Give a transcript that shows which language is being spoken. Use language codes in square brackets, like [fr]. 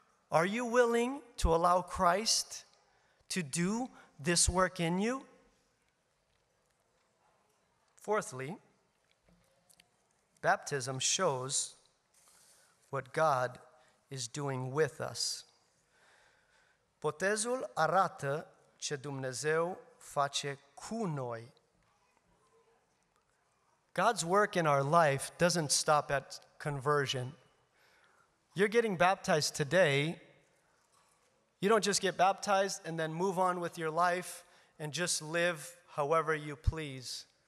[en] Are you willing to allow Christ to do this work in you? Fourthly, baptism shows what God is doing with us. [ro] Botezul arată ce Dumnezeu face cu noi. [en] God's work in our life doesn't stop at conversion. You're getting baptized today. You don't just get baptized and then move on with your life and just live however you please.